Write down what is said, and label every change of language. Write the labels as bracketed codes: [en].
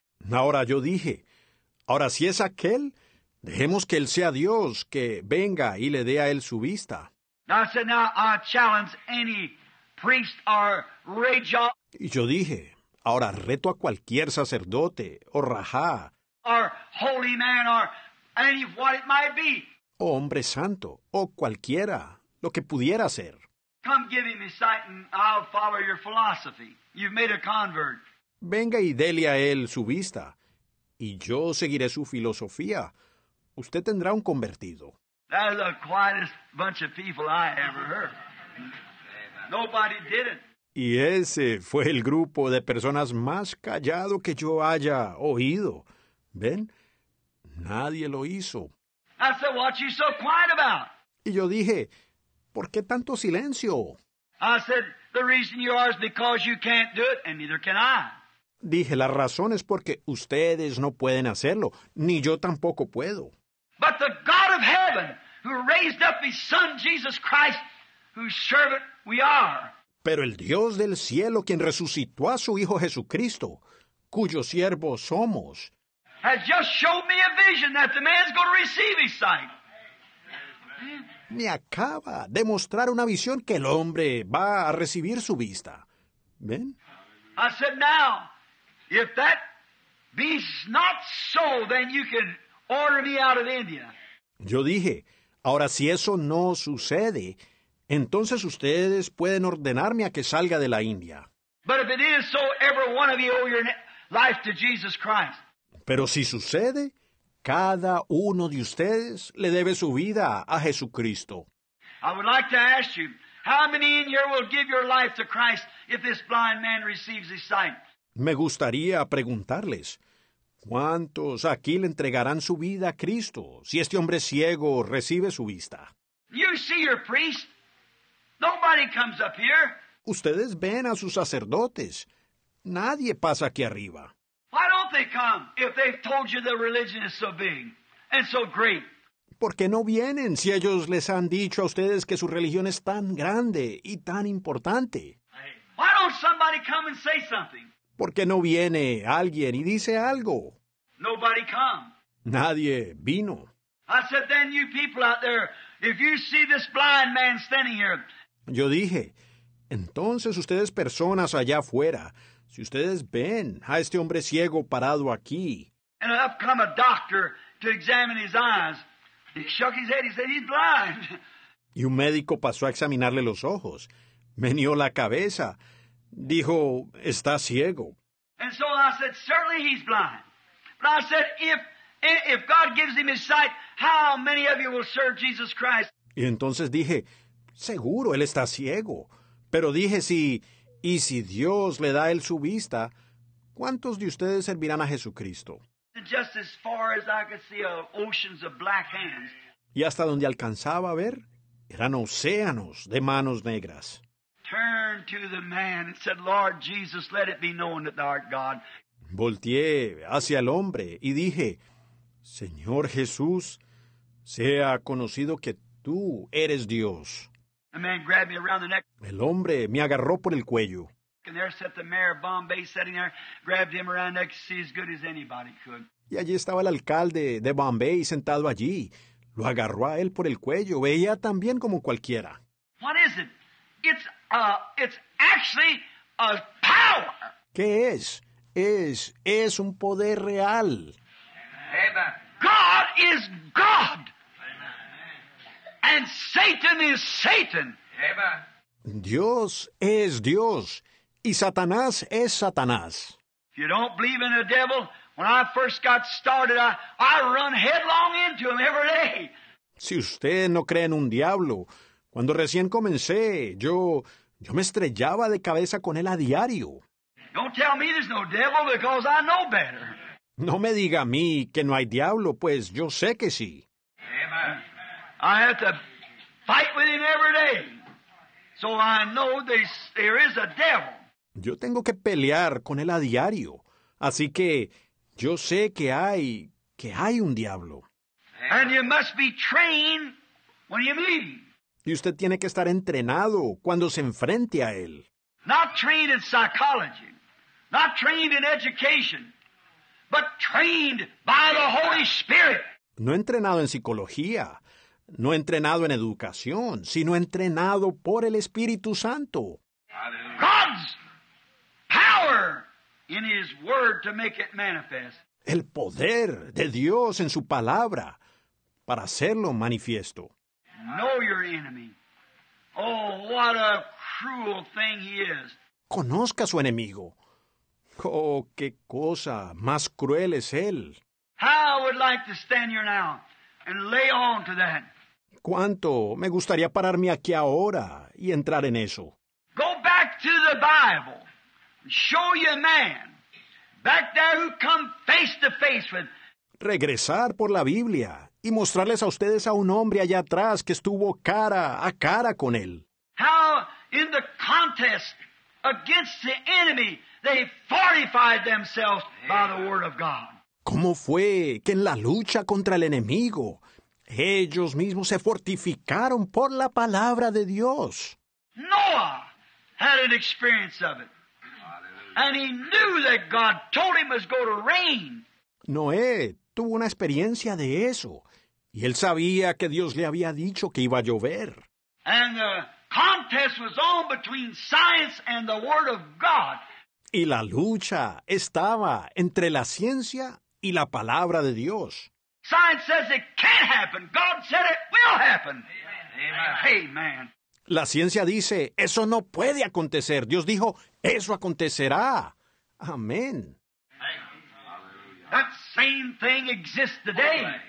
[es] Ahora yo dije, ahora si es aquel, dejemos que él sea Dios que venga y le dé a él su vista. [en] Now, I said, now, I challenge any priest or rajah. [es] Y yo dije, Ahora reto a cualquier sacerdote, o rajá, [en] or holy man, or any what it might be, [es] o hombre santo, o cualquiera, lo que pudiera ser. [en] Come give him a sight and I'll follow your philosophy. You've made a convert. [es] Venga y dele a él su vista, y yo seguiré su filosofía. Usted tendrá un convertido. [en] That's the quietest bunch of people I ever heard. Nobody did it. [es] Y ese fue el grupo de personas más callado que yo haya oído. ¿Ven? Nadie lo hizo. [en] I said, what you so quiet about? [es] Y yo dije, ¿por qué tanto silencio? [en] I said, the reason you are is because you can't do it, and neither can I. [es] Dije, la razón es porque ustedes no pueden hacerlo, ni yo tampoco puedo. [en] But the God of heaven, who raised up his son Jesus Christ, whose servant we are. [es] Pero el Dios del cielo, quien resucitó a su Hijo Jesucristo, cuyos siervos somos, [en] has just showed me a vision that the man's going to receive his sight. [es] Me acaba de mostrar una visión que el hombre va a recibir su vista. ¿Ven? [en] I said, now, if that be not so, then you can order me out of India. [es] Yo dije, ahora si eso no sucede, entonces ustedes pueden ordenarme a que salga de la India. [en] But if it is so, every one of you owe your life to Jesus Christ. [es] Pero si sucede, cada uno de ustedes le debe su vida a Jesucristo. [en] I would like to ask you, how many in here will give your life to Christ if this blind man receives his sight? [es] Me gustaría preguntarles, ¿cuántos aquí le entregarán su vida a Cristo si este hombre ciego recibe su vista? [en] You see your priest. Nobody comes up here. [es] Ustedes ven a sus sacerdotes. Nadie pasa aquí arriba. [en] Why don't they come if they've told you the religion is so big and so great? [es] ¿Por qué no vienen si ellos les han dicho a ustedes que su religión es tan grande y tan importante? [en] Why don't somebody come and say something? [es] ¿Por qué no viene alguien y dice algo? [en] Nobody come. [es] Nadie vino. [en] I said, then you people out there, if you see this blind man standing here. [es] Yo dije, entonces ustedes personas allá afuera, si ustedes ven a este hombre ciego parado aquí. [en] And up come a doctor to examine his eyes. He shook his head, he said, he's blind. [es] Y un médico pasó a examinarle los ojos. Meneó la cabeza. Dijo, está ciego. [en] And so I said, certainly he's blind. But I said, if God gives him his sight, how many of you will serve Jesus Christ? [es] Y entonces dije, seguro, él está ciego. Pero dije, si Dios le da a él su vista, ¿cuántos de ustedes servirán a Jesucristo? [en] Just as far as I could see, oceans of black hands. [es] Y hasta donde alcanzaba a ver, eran océanos de manos negras. [en] Turned to the man and said, Lord Jesus, let it be known that thou art God. [es] Volteé hacia el hombre y dije, Señor Jesús, sea conocido que tú eres Dios. [en] The man grabbed me around the neck. [es] El hombre me agarró por el cuello. [en] And there sat the mayor of Bombay sitting there, grabbed him around the neck to see as good as anybody could. [es] Y allí estaba el alcalde de Bombay sentado allí. Lo agarró a él por el cuello. Veía tan bien como cualquiera. [en] What is it? It's actually a power. [es] ¿Qué es? Es un poder real. [en] Amen. God is God. Amen. And Satan is Satan. [es] Amen. Dios es Dios y Satanás es Satanás. [en] If you don't believe in the devil, when I first got started, I run headlong into him every day. [es] Si usted no cree en un diablo, cuando recién comencé, yo me estrellaba de cabeza con él a diario. [en] Don't tell me there's no devil because I know better. [es] No me diga a mí que no hay diablo, pues yo sé que sí. [en] Amen. I have to fight with him every day. So I know there is a devil. [es] Yo tengo que pelear con él a diario. Así que yo sé que hay un diablo. [en] Amen. And you must be trained when you meet him. [es] Y usted tiene que estar entrenado cuando se enfrente a él. [en] Not trained in psychology, not trained in education, but trained by the Holy Spirit. [es] No entrenado en psicología, no entrenado en educación, sino entrenado por el Espíritu Santo. [en] God's power in his word to make it manifest. [es] El poder de Dios en su palabra para hacerlo manifiesto. [en] Know your enemy. Oh, what a cruel thing he is. [es] Conozca a su enemigo. Oh, qué cosa más cruel es él. [en] How I would like to stand here now and lay on to that. [es] ¿Cuánto me gustaría pararme aquí ahora y entrar en eso? [en] Go back to the Bible. Show you a man. Back there who come face to face with. [es] Regresar por la Biblia y mostrarles a ustedes a un hombre allá atrás que estuvo cara a cara con él. [en] How in the contest against the enemy they fortified themselves by the word of God. [es] ¿Cómo fue que en la lucha contra el enemigo ellos mismos se fortificaron por la palabra de Dios? [en] Noah had an experience of it. And he knew that God told him he was going to rain. [es] Noé tuvo una experiencia de eso. Y él sabía que Dios le había dicho que iba a llover. [en] And the contest was on between science and the word of God. [es] Y la lucha estaba entre la ciencia y la palabra de Dios. [en] Science says it can't happen. God said it will happen. Amen. [es] La ciencia dice, eso no puede acontecer. Dios dijo, eso acontecerá. Amén. [en] That same thing exists today.